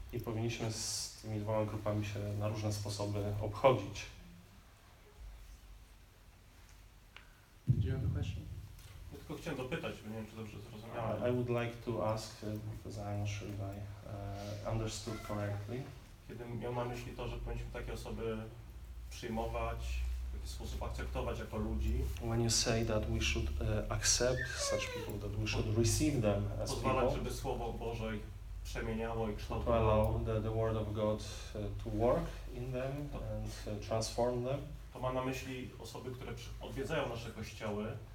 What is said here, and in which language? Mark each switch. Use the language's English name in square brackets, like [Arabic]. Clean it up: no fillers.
[Polish] I powinniśmy z tymi dwoma grupami się na różne sposoby obchodzić. [English] Did you have a question? [Polish] Ja tylko chciałem dopytać, bo nie wiem, czy dobrze zrozumiałem. [English] I would like to ask, because I'm not sure if I understood correctly. [Polish] Kiedy miał na myśli to, że powinniśmy takie osoby przyjmować, w jaki sposób akceptować jako ludzi. [English] When you say that we should accept such people, that we should receive them as [Polish] pozwalać, [English] people. [Polish] Pozwalać, żeby Słowo Boże ich przemieniało i kształtowało. [English] To allow the Word of God to work in them and transform them. [Polish] To ma na myśli osoby, które odwiedzają nasze kościoły.